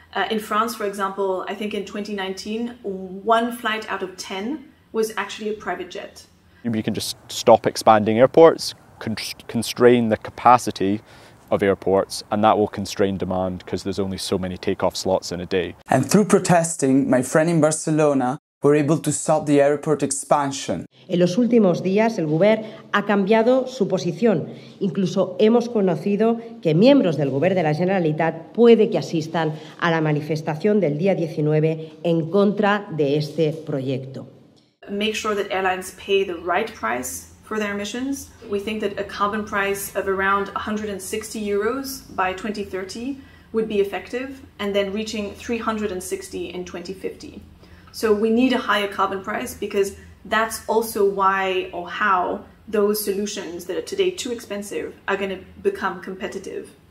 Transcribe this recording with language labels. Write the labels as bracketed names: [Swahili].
[English] In France, for example, I think in 2019, one flight out of 10 was actually a private jet. You can just stop expanding airports, constrain the capacity of airports, and that will constrain demand because there's only so many takeoff slots in a day. And through protesting, my friend in Barcelona were able to stop the airport expansion. [Spanish] En los últimos días, el govern ha cambiado su posición. Incluso hemos conocido que miembros del govern de la Generalitat puede que asistan a la manifestación del día 19 en contra de este proyecto. [English] Make sure that airlines pay the right price for their emissions. We think that a carbon price of around 160 euros by 2030 would be effective, and then reaching 360 in 2050. So we need a higher carbon price, because that's also why or how those solutions that are today too expensive are going to become competitive.